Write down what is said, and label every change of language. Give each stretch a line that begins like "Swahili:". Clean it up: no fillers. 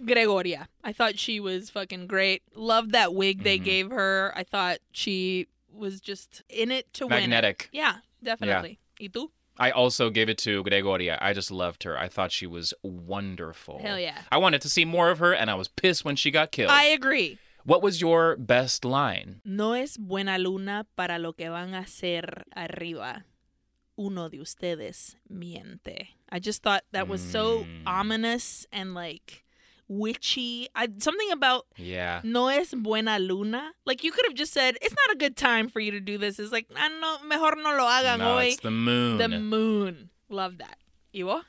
English: Gregoria. I thought she was fucking great. Loved that wig they gave her. I thought she was just in it to magnetic. Win. Yeah, definitely. Yeah.
Spanish: ¿Y tú?
English: I also gave it to Gregoria. I just loved her. I thought she was wonderful. Hell yeah. I wanted to see more of her, and I was pissed when she got killed. I agree. What was your best line?
Spanish: No es buena luna para lo que van a hacer arriba. Uno de ustedes miente.
English: I just thought that was so ominous and like witchy. Something about
Spanish: no es buena luna.
English: Like you could have just said, it's not a good time for you to do this. It's like,
Spanish: no, mejor no lo hagan hoy.
English: It's the moon. The moon. Love that. Iwo?